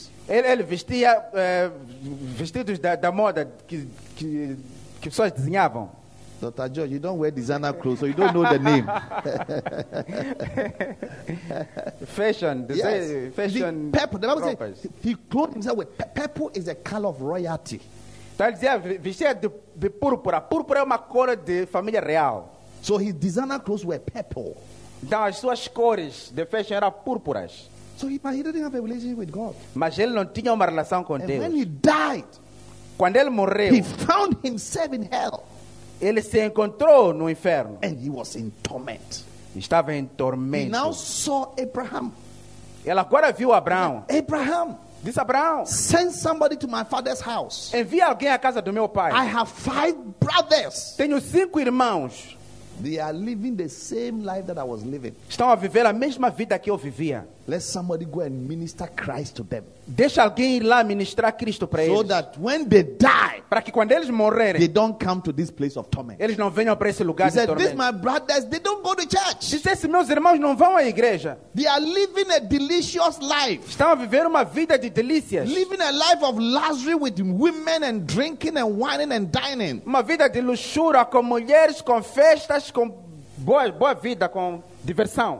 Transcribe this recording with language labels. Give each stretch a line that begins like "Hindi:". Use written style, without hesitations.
Portuguese: Ele vestia vestidos da moda que pessoas desenhavam.
English: Dr. George, you don't wear designer clothes, so you don't know the name. Fashion. Fashion. The purple. The Bible says he clothed himself with purple is a color of royalty.
Portuguese: Então ele dizia, vestia de púrpura. Púrpura é uma cor de família real.
English: So his designer clothes were purple.
Portuguese: Então as suas cores de fashion eram púrpuras.
English: So he didn't have a relationship with God.
Portuguese: Mas ele não tinha uma relação com
English: And
Portuguese: Deus.
English: When he died,
Portuguese: quando ele morreu,
English: he found himself in hell.
Portuguese: Ele se encontrou no inferno.
English: And he was in torment.
Portuguese: Estava em tormento.
English: He now saw Abraham.
Portuguese: Ele agora viu Abraão.
English: Abraham. This Abraham, send somebody to my father's house.
Portuguese: Envie alguém à casa do meu pai.
English: I have five brothers.
Portuguese: Tenho cinco irmãos.
English: They are living the same life that I was living.
Portuguese: Estão a viver a mesma vida que eu vivia.
English: Let somebody go and minister Christ to them.
Portuguese: Deixa alguém ir lá ministrar Cristo para eles.
English: So that when they die,
Portuguese: para que quando eles morrerem,
English: they don't come to this place of torment.
Portuguese: Eles não venham para esse lugar de tormento.
English: He said, "These my brothers, they don't go to church."
Portuguese: Esses meus irmãos não vão à igreja.
English: They are living a delicious life.
Portuguese: Estão a viver uma vida de delícias.
English: Living a life of luxury with women and drinking and wining and dining.
Portuguese: Uma vida de luxúria com mulheres, com festas, com boa vida, com diversão.